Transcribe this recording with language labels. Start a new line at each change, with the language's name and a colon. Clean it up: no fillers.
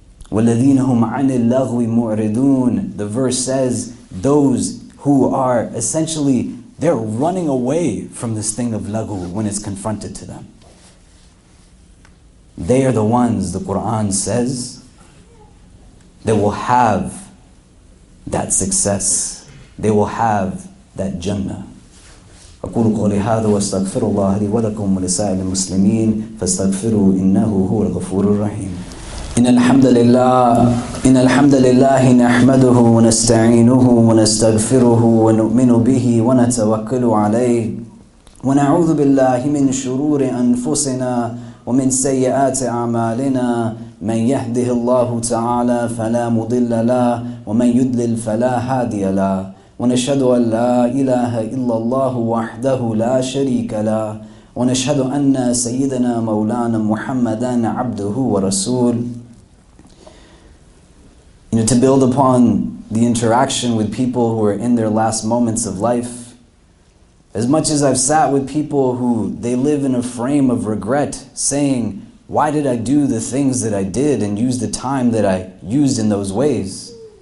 Arabic: وَالَّذِينَ هُمْ عَنِ اللَّغْوِ مُعْرِضُونَ,
English: the verse says, those who are essentially, they're running away from this thing of laghu when it's confronted to them. They are the ones, the Qur'an says, that will have that success. They will have that Jannah.
Arabic: أقول قولي هذا واستغفر الله لي ولكم ولسائر المسلمين فاستغفروا إنه هو الغفور الرحيم. إن الحمد لله نحمده ونستعينه ونستغفره ونؤمن به ونتوكل عليه ونعوذ بالله من شرور أنفسنا ومن سيئات أعمالنا من يهده الله تعالى فلا مضل له ومن يضلل فلا هادي له ونشهد أن لا إله إلا الله وحده لا شريك له ونشهد أن سيدنا مولانا محمدًا عبده ورسول.
English: You know, to build upon the interaction with people who are in their last moments of life, as much as I've sat with people who they live in a frame of regret saying, why did I do the things that I did and use the time that I used in those ways?